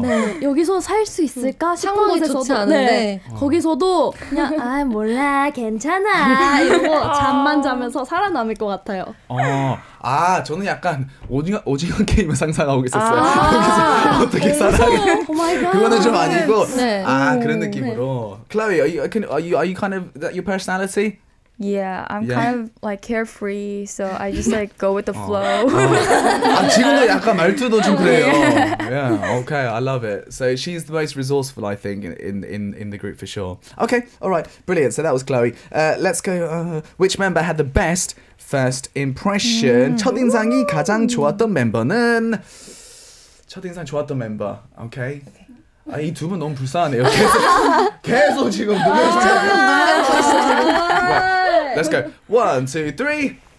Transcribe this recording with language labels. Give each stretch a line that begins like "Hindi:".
Korean: 네, 여기서 살 수 있을까 싶은 곳에서도 네. 거기서도 그냥 아 몰라 괜찮아 이러고 잠만 자면서 살아남을 것 같아요. 아 저는 약간 오징어 게임을 상상하고 있었어요. 아~ 거기서 어떻게 살아야 돼? 그거는 좀 아니고 네. 아 그런 느낌으로. 네.
English: Chloe, are you kind of that your personality? Yeah, I'm kind of like carefree, so I just like go with the flow.
Korean: 아 지금도 약간 말투도 좀 그래요.
English: Yeah, okay, I love it. So she's the most resourceful, I think, in the group for sure. Okay, all right, brilliant. So that was Chloe. Let's go. Which member had the best first impression?
Korean: 첫인상이 가장 좋았던 멤버는 첫인상 좋았던 멤버.
English: Okay.
Korean: 아 이 두 분 너무 불쌍하네요. 계속 지금 눈에
English: Let's go. One, two, three.